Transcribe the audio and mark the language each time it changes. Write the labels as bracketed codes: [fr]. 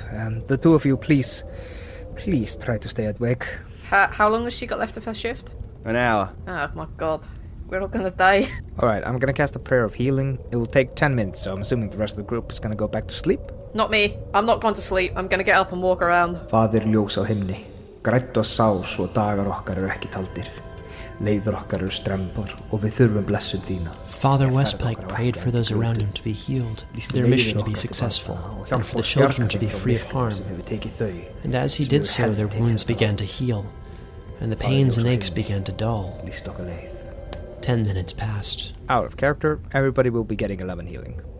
[en] And the two of you, please try to stay awake. How long has she got left of her shift? An hour. Oh my god. We're all gonna die. Alright, I'm gonna cast a prayer of healing. It will take 10 minutes, so I'm assuming the rest of the group is gonna go back to sleep. Not me. I'm not going to sleep. I'm gonna get up and walk around. [is] Fadir ljósa himni. Grættu að sá svo dagar okkar eru ekki taldir. Leiður okkar eru strembar og við þurfum blessun þína. [en] Father Westpike prayed for those around him to be healed, their mission to be successful, and for the children to be free of harm. And as he did so, their wounds began to heal, and the pains and aches began to dull. 10 minutes passed. Out of character, everybody will be getting 11 healing.